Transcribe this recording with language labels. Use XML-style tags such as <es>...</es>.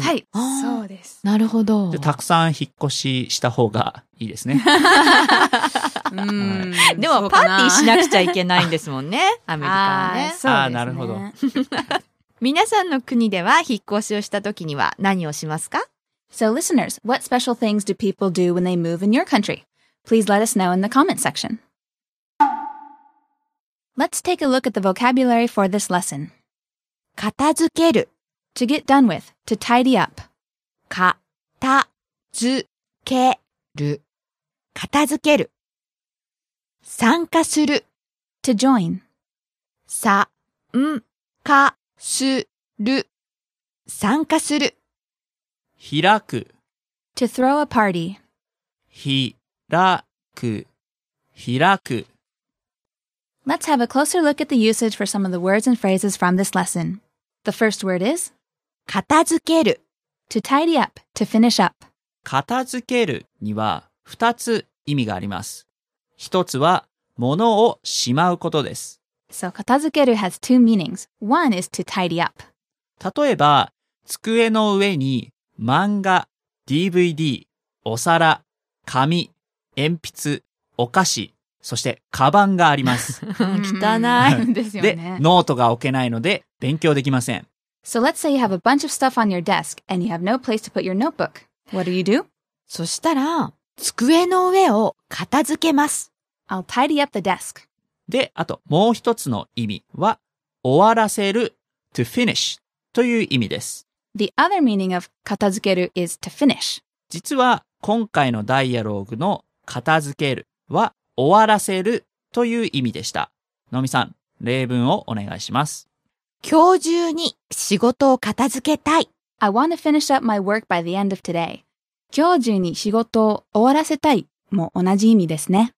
<ja>はい。はい、そうです。なるほど。じゃ、たくさん引っ越しした方がいいですね。うん、でもパーティーしなくちゃいけないんですもんね。アメリカはね。あ、そうですね。あ、なるほど。皆さんの国では引っ越しをした時には何をしますか？</ja> <en>So listeners, what special things do people do when they move in your country? Please let us know in the comment section. Let's take a look at the vocabulary for this lesson.</en> <ja>片付ける</ja> <en>To get done with, to tidy up.</en> <ja>片付ける片付ける参加する</ja> <en>To join.</en> <ja>参加する参加する開く</ja> <en>To throw a party.</en> <ja>開く</ja> <en>Let's have a closer look at the usage for some of the words and phrases from this lesson. The first word is</en> <ja>片付ける</ja> <en>To tidy up, to finish up.</en> <ja>片付けるには二つ意味があります。一つは物をしまうことです。</ja> <en>So 片付ける has two meanings. One is to tidy up.</en> <ja>例えば、机の上に漫画、DVD、お皿、紙、鉛筆、お菓子、そして、カバンがあります。汚いですよね。で、ノートが置けないので、勉強できません。</ja> <en>So let's say you have a bunch of stuff on your desk, and you have no place to put your notebook. What do you do?</en> <ja>そしたら、机の上を片付けます。</ja> <en>I'll tidy up the desk.</en> <ja>で、あと、もう一つの意味は、終わらせる、</ja> <en>to finish</en> <ja>という意味です。</ja> <en>The other meaning of 片付ける is to finish.</en> <ja>実は、今回のダイアログの片付けるは、終わらせるという意味でした。のみさん、例文をお願いします。今日中に仕事を片付けたい。</ja> <en>I want to finish up my work by the end of today.</en> <ja>今日中に仕事を終わらせたいも同じ意味ですね。</ja>